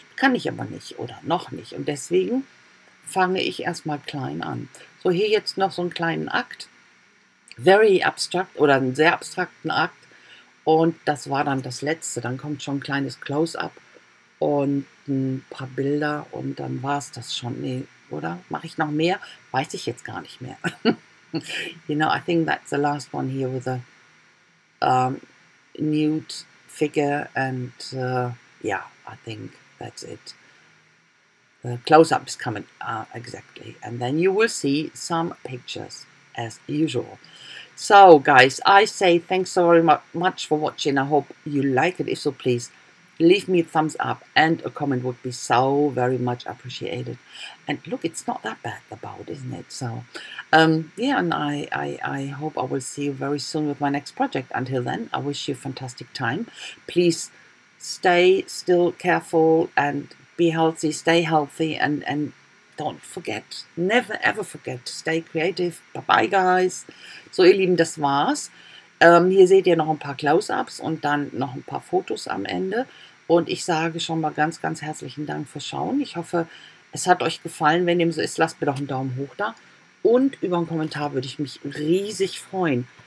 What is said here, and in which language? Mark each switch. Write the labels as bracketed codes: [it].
[de] Kann ich aber nicht oder noch nicht. Und deswegen fange ich erstmal klein an. So, hier jetzt noch so einen kleinen Akt. [en] Very abstract [de] oder einen sehr abstrakten Akt und das war dann das Letzte. Dann kommt schon ein kleines Close-up und ein paar Bilder und dann war es das schon. Nee, oder? Mache ich noch mehr? Weiß ich jetzt gar nicht mehr. [en] You know, I think that's the last one here with a nude figure and yeah, I think that's it. The close-up is coming, exactly. And then you will see some pictures. As usual. So guys, I say thanks so very much for watching. I hope you like it. If so, please leave me a thumbs up and a comment would be so very much appreciated. And look, it's not that bad about, isn't it? So yeah, and I hope I will see you very soon with my next project. Until then, I wish you a fantastic time. Please stay still, careful, and be healthy, stay healthy, and don't forget, never ever forget, stay creative. Bye bye, guys. [de] So, ihr Lieben, das war's. Hier seht ihr noch ein paar Close-ups und dann noch ein paar Fotos am Ende. Und ich sage schon mal ganz, ganz herzlichen Dank fürs Schauen. Ich hoffe, es hat euch gefallen. Wenn dem so ist, lasst mir doch einen Daumen hoch da. Und über einen Kommentar würde ich mich riesig freuen.